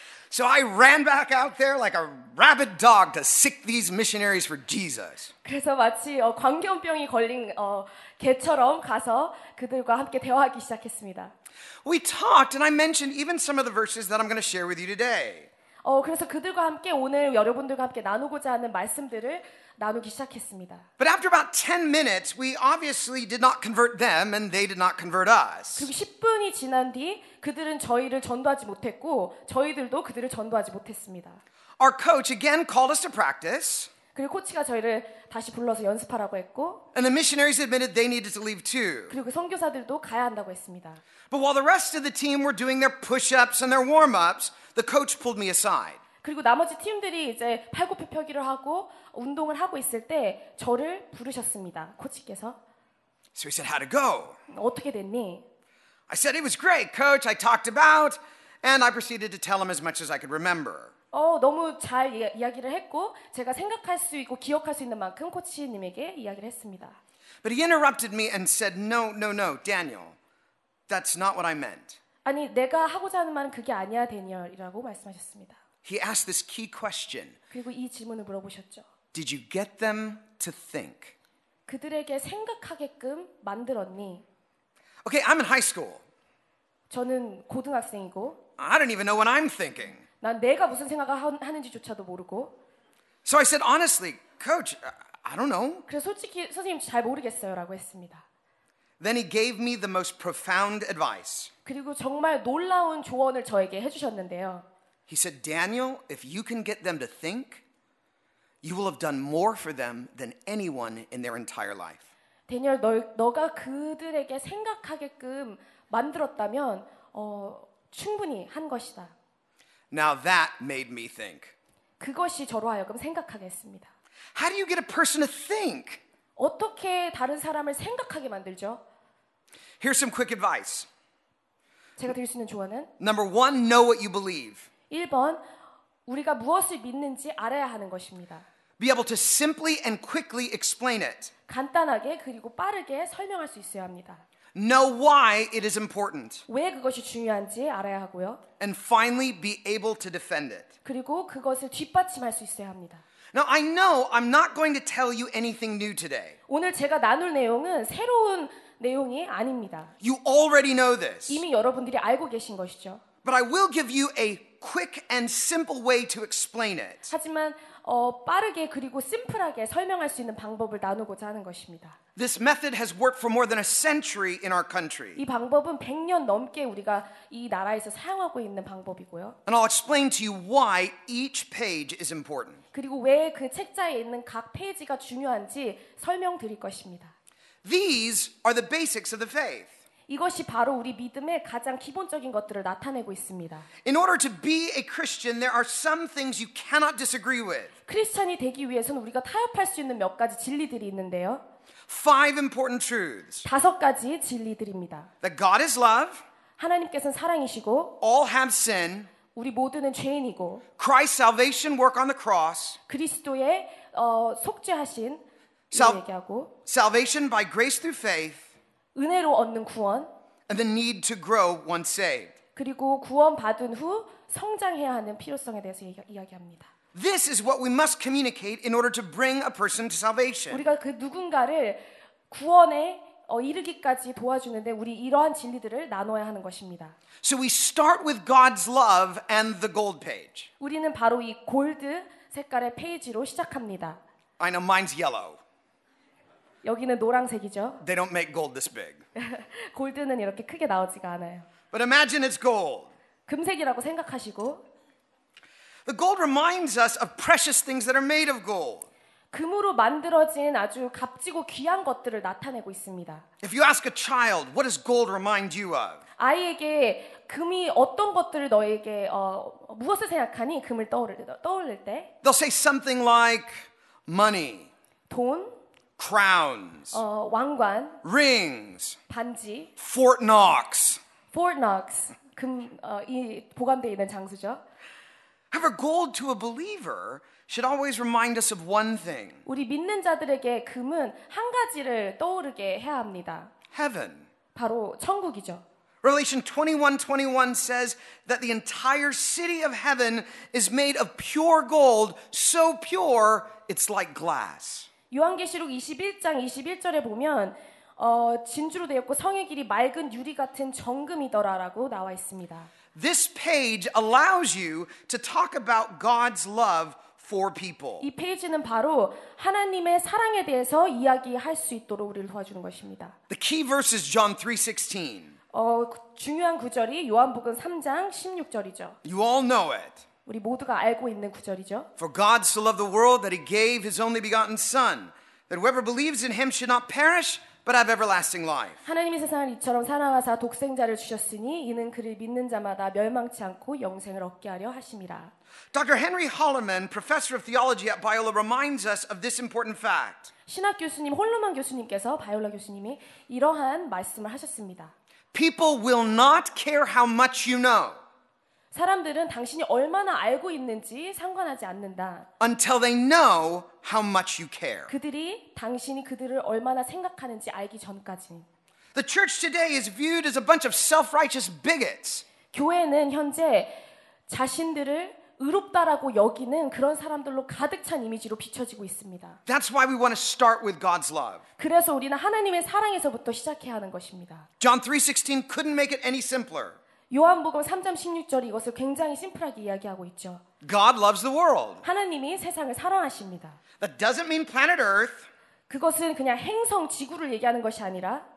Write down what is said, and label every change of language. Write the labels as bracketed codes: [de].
[en] So I ran back out there like a rabid dog to sick these missionaries for Jesus. [ko] 그래서 마치 광견병이 걸린 개처럼 가서 그들과 함께 대화하기 시작했습니다. [en] We talked and I mentioned even some of the verses that I'm going to share with you today. [ko] 그래서 그들과 함께 오늘 여러분들과 함께 나누고자 하는 말씀들을 나누기 시작했습니다. [en] But after about 10 minutes, we obviously did not convert them and they did not convert us. [ko] 그리고 10분이 지난 뒤 그들은 저희를 전도하지 못했고 저희들도 그들을 전도하지 못했습니다. [en] Our coach again called us to practice. [ko] 그리고 코치가 저희를 다시 불러서 연습하라고 했고 [en] And the missionaries admitted they needed to leave too. [ko] 그리고 선교사들도 가야 한다고 했습니다. [en] But while the rest of the team were doing their push-ups and their warm-ups, the coach pulled me aside. [ko] 그리고 나머지 팀들이 이제 팔굽혀펴기를 하고 운동을 하고 있을 때 저를 부르셨습니다. 코치께서. [en] So he said, "How'd it go?" [ko] 어떻게 됐니? [en] I said, "It was great, coach. I talked about and I proceeded to tell him as much as I could remember." [ko] 너무 잘 이야기를 했고 제가 생각할 수 있고 기억할 수 있는 만큼 코치님에게 이야기를 했습니다. [en] But he interrupted me and said, "No, no, no, Daniel. That's not what I meant." [ko] 아니, 내가 하고자 하는 말은 그게 아니야, 대니얼이라고 말씀하셨습니다. [en] He asked this key question. [ko] 그리고 이 질문을 물어보셨죠. [en] Did you get them to think? [ko] 그들에게 생각하게끔 만들었니? [en] Okay, I'm in high school. [ko] 저는 고등학생이고. [en] I don't even know what I'm thinking. [ko] 난 내가 무슨 생각을 하는지조차도 모르고. [en] So I said honestly, "Coach, I don't know." [ko] 그래서 솔직히 선생님 잘 모르겠어요라고 했습니다. [en] Then he gave me the most profound advice. [ko] 그리고 정말 놀라운 조언을 저에게 해주셨는데요. [en] He said, "Daniel, if you can get them to think, you will have done more for them than anyone in their entire life." [ko] 대니얼, 너가 그들에게 생각하게끔 만들었다면 충분히 한 것이다. [en] Now that made me think. [ko] 그것이 저로 하여금 생각하게 했습니다. [en] How do you get a person to think? [ko] 어떻게 다른 사람을 생각하게 만들죠? [en] Here's some quick advice. [ko] 제가 드릴 수 있는 조언은 [en] Number one, know what you believe. [ko] 1번, 우리가 무엇을 믿는지 알아야 하는 것입니다. [en] Be able to simply and quickly explain it. [ko] 간단하게 그리고 빠르게 설명할 수 있어야 합니다. [en] Know why it is important. [ko] 왜 그것이 중요한지 알아야 하고요. [en] And finally, be able to defend it. [ko] 그리고 그것을 뒷받침할 수 있어야 합니다. [en] Now I know I'm not going to tell you anything new today. [ko] 오늘 제가 나눌 내용은 새로운 내용이 아닙니다. [en] You already know this. [ko] 이미 여러분들이 알고 계신 것이죠. [en] But I will give you a quick and simple way to explain it. [ko] 하지만 빠르게 그리고 심플하게 설명할 수 있는 방법을 나누고자 하는 것입니다. [en] This method has worked for more than a century in our country. [ko] 이 방법은 100년 넘게 우리가 이 나라에서 사용하고 있는 방법이고요. [en] And I'll explain to you why each page is important. [ko] 그리고 왜 그 책자에 있는 각 페이지가 중요한지 설명드릴 것입니다. [en] These are the basics of the faith. [ko] 이것이 바로 우리 믿음의 가장 기본적인 것들을 나타내고 있습니다. [en] In order to be a Christian, there are some things you cannot disagree with. [ko] 크리스천이 되기 위해서는 우리가 타협할 수 있는 몇 가지 진리들이 있는데요. [en] Five important truths. [ko] 다섯 가지 진리들입니다. [en] That God is love. [ko] 하나님께서는 사랑이시고. [en] All have sin. [ko] 우리 모두는 죄인이고. [en] Christ's salvation work on the cross. [ko] 그리스도의 속죄하신 얘기하고. [en] Salvation by grace through faith. [ko] 은혜로 얻는 구원. [en] And the need to grow once saved. [ko] 그리고 구원 받은 후 성장해야 하는 필요성에 대해서 이야기합니다. [en] This is what we must communicate in order to bring a person to salvation. [ko] 우리가 그 누군가를 구원에 이르기까지 도와주는데 우리 이러한 진리들을 나눠야 하는 것입니다. [en] So we start with God's love and the gold page. [ko] 우리는 바로 이 골드 색깔의 페이지로 시작합니다. [en] I know mine's yellow. [ko] 여기는 노란색이죠. [en] They don't make gold this big. [ko] 골드는 이렇게 크게 나오지가 않아요. [en] But imagine it's gold. [ko] 금색이라고 생각하시고. [en] The gold reminds us of precious things that are made of gold. [ko] 금으로 만들어진 아주 값지고 귀한 것들을 나타내고 있습니다. [en] If you ask a child, what does gold remind you of? [ko] 아이에게 금이 어떤 것들을 너에게 무엇을 생각하니 금을 떠올릴 때? [en] They'll say something like money. [ko] 돈. [en] Crowns. [ko] 왕관. [en] Rings. [ko] 반지. [en] Fort Knox. Fort Knox. [ko] 금이 보관돼 있는 장소죠. [en] However, gold to a believer should always remind us of one thing. [ko] 우리 믿는 자들에게 금은 한 가지를 떠오르게 해야 합니다. [en] Heaven. [ko] 바로 천국이죠. [en] Revelation 21:21 says that the entire city of heaven is made of pure gold, so pure it's like glass. [ko] 요한계시록 21장 21절에 보면 진주로 되었고 성의 길이 맑은 유리 같은 정금이더라라고 나와 있습니다. [en] This page allows you to talk about God's love for people. [ko] 이 페이지는 바로 하나님의 사랑에 대해서 이야기할 수 있도록 우리를 도와주는 것입니다. [en] The key verse is John 3:16. [ko] 중요한 구절이 요한복음 3장 16절이죠. [en] You all know it. [ko] 우리 모두가 알고 있는 구절이죠. [en] For God so loved the world that he gave his only begotten son that whoever believes in him should not perish but have everlasting life. [ko] 하나님이 세상을 이처럼 사랑하사 독생자를 주셨으니 이는 그를 믿는 자마다 멸망치 않고 영생을 얻게 하려 하심이라. [en] Dr. Henry Holloman, professor of theology at Biola reminds us of this important fact. [ko] 신학 교수님 홀로만 교수님께서 바이올라 교수님이 이러한 말씀을 하셨습니다. [en] People will not care how much you know. [ko] 사람들은 당신이 얼마나 알고 있는지 상관하지 않는다. [en] Until they know how much you care. [ko] 그들이 당신이 그들을 얼마나 생각하는지 알기 전까지. [en] The church today is viewed as a bunch of self-righteous bigots. [ko] 교회는 현재 자신들을 의롭다라고 여기는 그런 사람들로 가득 찬 이미지로 비춰지고 있습니다. [en] That's why we want to start with God's love. [ko] 그래서 우리는 하나님의 사랑에서부터 시작해야 하는 것입니다. [en] John 3:16 couldn't make it any simpler. [ko] 요한복음 3장 16절이 이것을 굉장히 심플하게 이야기하고 있죠. [en] God loves the world. [ko] 하나님이 세상을 사랑하십니다. [en] That doesn't mean planet Earth. [ko] 그것은 그냥 행성 지구를 얘기하는 것이 아니라